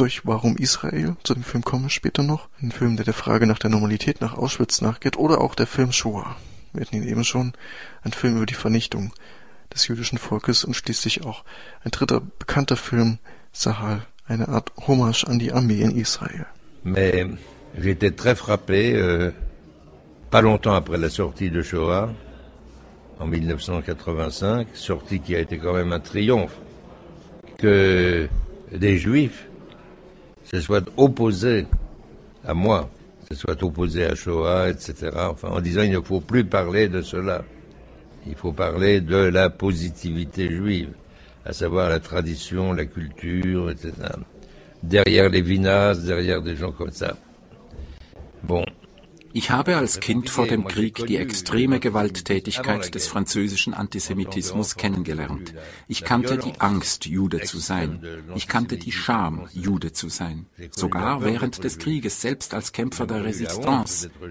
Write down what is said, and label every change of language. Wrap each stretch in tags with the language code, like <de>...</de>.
<de>Durch Warum Israel, zu dem Film kommen wir später noch, ein Film, der der Frage nach der Normalität nach Auschwitz nachgeht, oder auch der Film Shoah. Wir hatten ihn eben schon, ein Film über die Vernichtung des jüdischen Volkes und schließlich auch ein dritter bekannter Film, Sahal, eine Art Hommage an die Armee in Israel.</de> <fr>Mais j'étais très frappé, pas longtemps après la sortie de Shoah, en 1985, sortie qui a été quand même un triomphe, que des Juifs se soient opposés à moi, se soient opposés à Shoah, etc. Enfin, en disant il ne faut plus parler de cela, il faut parler de la positivité juive, à savoir la tradition, la culture, etc. Derrière les Vinas, derrière des gens comme ça. Bon,</fr> <de>Ich habe als Kind vor dem Krieg die extreme Gewalttätigkeit des französischen Antisemitismus kennengelernt. Ich kannte die Angst, Jude zu sein. Ich kannte die Scham, Jude zu sein. Sogar während des Krieges, selbst als Kämpfer der Résistance.</de>